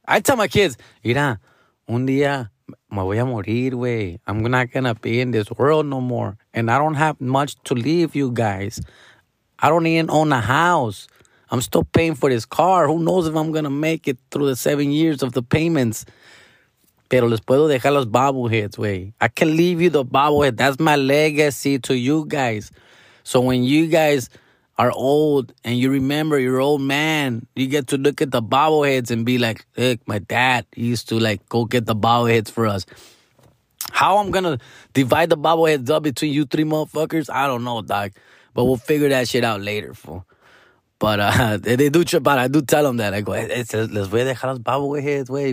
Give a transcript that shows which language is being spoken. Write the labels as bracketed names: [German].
[English] I tell my kids, [Spanish] mira, un día me voy a morir, güey. [English] I'm not going to be in this world no more. And I don't have much to leave you guys. I don't even own a house. I'm still paying for this car. Who knows if I'm going to make it through the 7 years of the payments. [Spanish] Pero les puedo dejar los bobbleheads, güey. [English] I can leave you the bobblehead. That's my legacy to you guys. So when you guys are old and you remember your old man, you get to look at the bobbleheads and be like, look, my dad, he used to like go get the bobbleheads for us. How I'm gonna divide the bobbleheads up between you three motherfuckers, I don't know, dog. But we'll figure that shit out later, fool. But they do trip out. I do tell them that. I go, [Spanish] les voy a dejar los bobbleheads, wey.